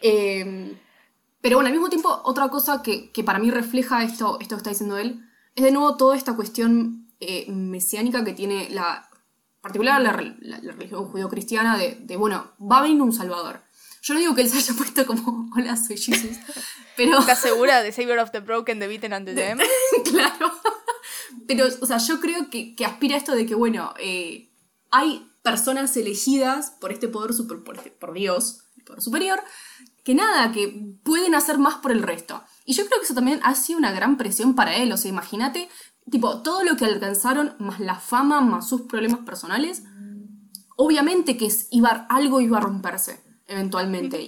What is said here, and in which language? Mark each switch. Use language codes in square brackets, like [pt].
[es] Pero bueno, al mismo tiempo, otra cosa que para mí refleja esto que está diciendo él, es de nuevo toda esta cuestión mesiánica que tiene la particular la religión judío-cristiana de, bueno, va a venir un salvador. Yo no digo que él se haya puesto como hola, soy Jesus, pero... ¿Estás segura? [en] The savior of the broken, the beaten and the damned. [es] Claro. Pero, o sea, yo creo que aspira a esto de que, bueno, hay personas elegidas por este poder por Dios, el poder superior, que nada, que pueden hacer más por el resto. Y yo creo que eso también ha sido una gran presión para él. O sea, imagínate, tipo, todo lo que alcanzaron, más la fama, más sus problemas personales, obviamente que algo iba a romperse, eventualmente.